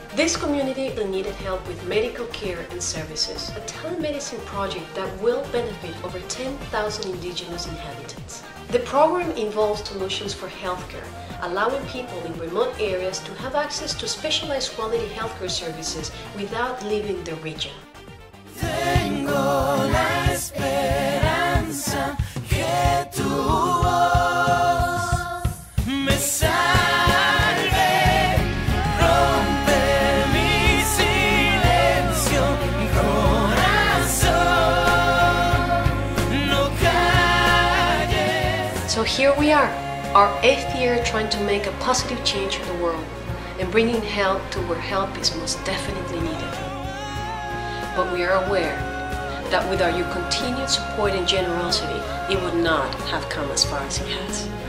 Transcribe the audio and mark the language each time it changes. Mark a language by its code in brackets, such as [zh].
[en] This community needed help with medical care and services, a telemedicine project that will benefit over 10,000 indigenous inhabitants. The program involves solutions for healthcare, allowing people in remote areas to have access to specialized quality healthcare services without leaving the region. [es] Tengo la esperanza que tu voz me salve, rompe mi silencio, corazón, no calles. [en] So here we are. Our 8th year trying to make a positive change in the world and bringing help to where help is most definitely needed. But we are aware that without your continued support and generosity, it would not have come as far as it has.